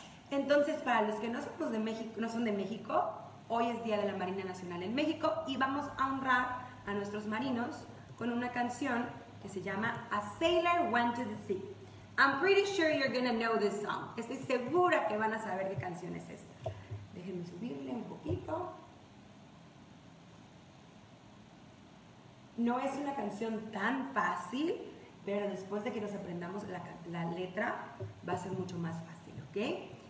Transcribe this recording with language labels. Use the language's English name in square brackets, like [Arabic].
[Spanish] Entonces, para los que no son de México, hoy es Día de la Marina Nacional en México y vamos a honrar a nuestros marinos con una canción que se llama A Sailor Went to the Sea. [English] I'm pretty sure you're gonna know this song. [Spanish] Estoy segura que van a saber qué canción es esta. Déjenme subirle un poquito. No es una canción tan fácil, pero después de que nos aprendamos la letra, va a ser mucho más fácil, ¿ok?